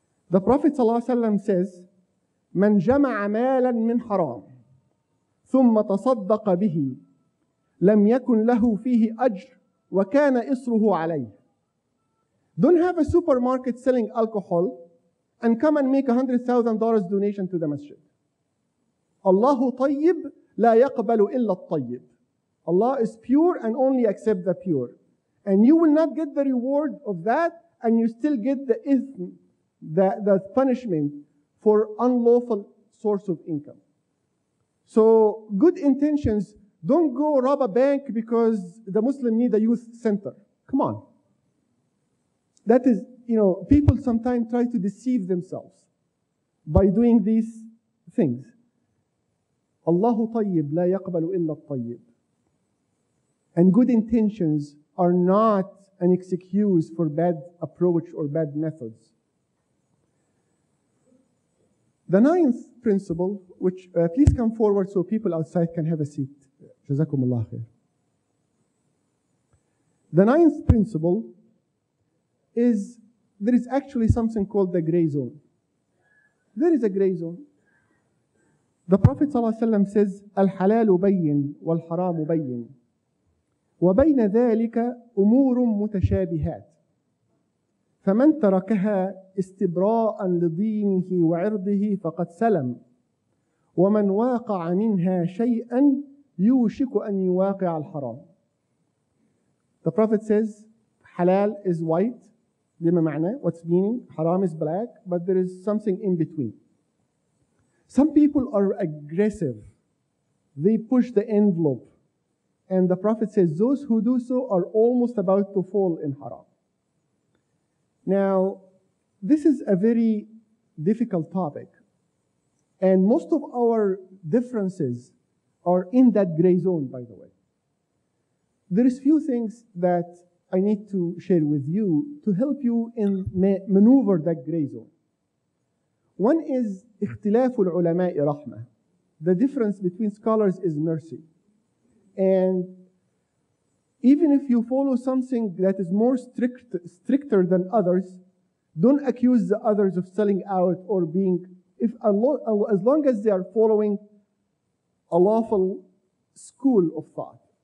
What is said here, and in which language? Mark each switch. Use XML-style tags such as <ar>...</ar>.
<en>The Prophet ﷺ says,</en> <ar>من جمع مالا من حرام ثم تصدق به لم يكن له فيه أجر وكان إصره عليه.</ar> <en>Don't have a supermarket selling alcohol and come and make $100,000 donation to the masjid.</en> <ar>Allah طيب لا يقبل إلا الطيب.</ar> <en>Allah is pure and only accept the pure. And you will not get the reward of that, and you still get the ithm, the punishment for unlawful source of income. So good intentions, don't go rob a bank because the Muslim need a youth center. Come on. That is, people sometimes try to deceive themselves by doing these things.</en> <ar>الله طيب لا يقبل إلا الطيب.</ar> <en>And good intentions are not an excuse for bad approach or bad methods. The ninth principle, which please come forward so people outside can have a seat.</en> <ar>جزاكم الله خير.</ar> <en>The ninth principle is there is actually something called the gray zone. There is a gray zone. The Prophet</en> <ar>صلى الله عليه وسلم</ar> <en>says,</en> <ar>الحلال بين والحرام بين. وبين ذلك أمور متشابهات. فمن تركها استبراء لدينه وعرضه فقد سلم. ومن واقع منها شيئا يوشك أن يواقع الحرام.</ar> <en>The Prophet says, halal is white.</en> <ar>لما معنى?</ar> <en>What's meaning? Haram is black, but there is something in between. Some people are aggressive. They push the envelope. And the Prophet says, those who do so are almost about to fall in haram. Now, this is a very difficult topic. And most of our differences are in that gray zone, by the way. There is few things that I need to share with you to help you in maneuver that gray zone. One is</en> <ar>اختلاف العلماء رحمة.</ar> <en>The difference between scholars is mercy. And even if you follow something that is more stricter than others, don't accuse the others of selling out or being, if Allah, as long as they are following a lawful school of thought.</en>